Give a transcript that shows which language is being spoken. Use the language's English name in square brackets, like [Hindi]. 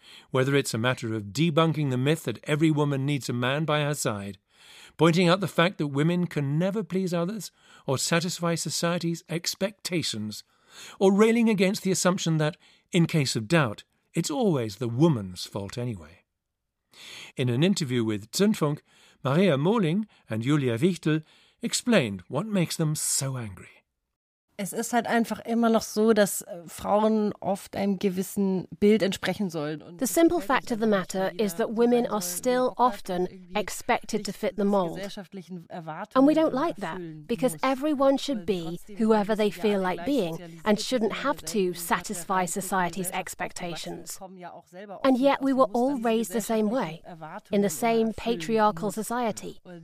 [English] Whether it's a matter of debunking the myth that every woman needs a man by her side, pointing out the fact that women can never please others or satisfy society's expectations, or railing against the assumption that, in case of doubt, it's always the woman's fault anyway. In an interview with Zündfunk, Maria Moling and Julia Wichtel explained what makes them so angry. [German] Es ist halt einfach immer noch so, dass Frauen oft einem gewissen Bild entsprechen sollen. [English] The simple fact of the matter is that women are still often expected to fit the mold. And we don't like that, because everyone should be whoever they feel like being and shouldn't have to satisfy society's expectations. And yet we were all raised the same way, in the same patriarchal society.